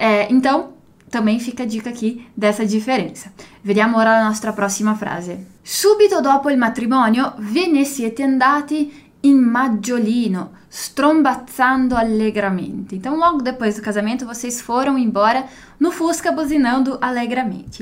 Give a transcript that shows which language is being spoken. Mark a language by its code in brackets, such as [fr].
[pt] Então, também fica a dica aqui dessa diferença. [it] Vediamo ora la nostra prossima frase. Subito dopo il matrimonio, ve ne siete andati in maggiolino, strombazzando allegramente. [pt] Então, logo depois do casamento, vocês foram embora no Fusca buzinando allegramente.